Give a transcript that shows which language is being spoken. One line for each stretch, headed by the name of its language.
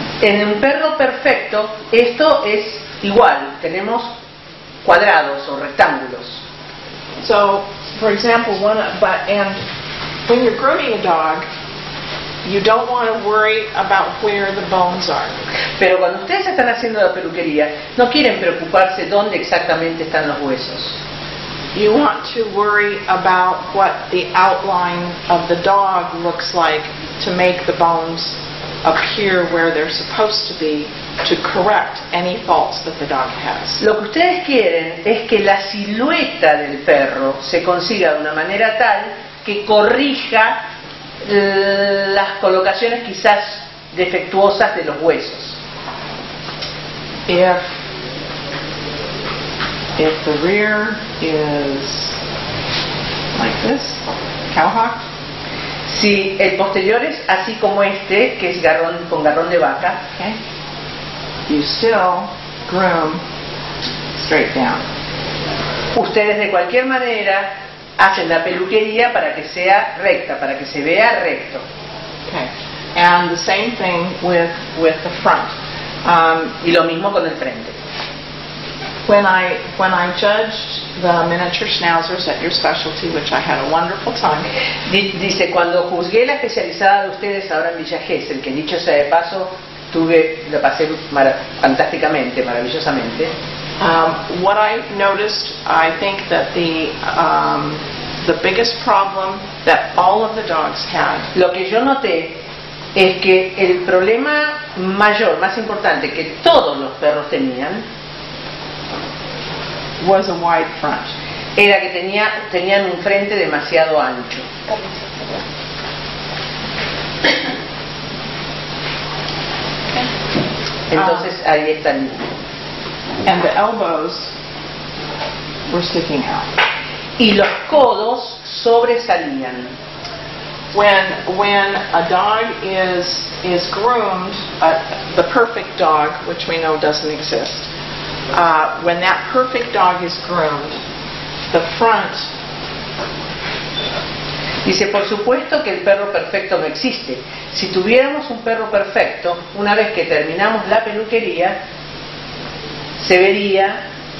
Spanish: En un perro perfecto, esto es igual. Tenemos cuadrados o rectángulos.
English: So, for example, and when you're grooming a dog, you don't want to worry about where the bones are.
Spanish: Pero cuando ustedes están haciendo la peluquería, no quieren preocuparse dónde exactamente están los huesos.
English: You want to worry about what the outline of the dog looks like to make the bones appear where they're supposed to be to correct any faults that the dog has.
Spanish: Lo que ustedes quieren es que la silueta del perro se consiga de una manera tal que corrija las colocaciones quizás defectuosas de los huesos.
English: If the rear is like this, cow hock.
Spanish: Si el posterior es así como este, que es garrón, con garrón de vaca,
English: okay. You still groom straight down.
Spanish: Ustedes de cualquier manera hacen la peluquería para que sea recta, para que se vea recto.
English: Okay. And the same thing with the front.
Spanish: Y lo mismo con el frente.
English: When I judged the miniature schnauzers at your specialty, which I had a wonderful time.
Spanish: Dice cuando juzgué la especializada de ustedes ahora en Villa Gesell, que dicho sea de paso, tuve la pasé fantásticamente, maravillosamente.
English: What I noticed, I think that the biggest problem that all of the dogs had.
Spanish: Lo que yo noté es que el problema mayor, más importante que todos los perros tenían.
English: Was a wide front.
Spanish: Era que tenían un frente demasiado ancho. Entonces ahí están.
English: And the elbows were sticking out.
Spanish: Y los codos sobresalían.
English: When a dog is groomed, the perfect dog, which we know doesn't exist. When that perfect dog is groomed, the front.
Spanish: Dice, por supuesto que el perro perfecto no existe. Si tuviéramos un perro perfecto, una vez que terminamos la peluquería, se vería.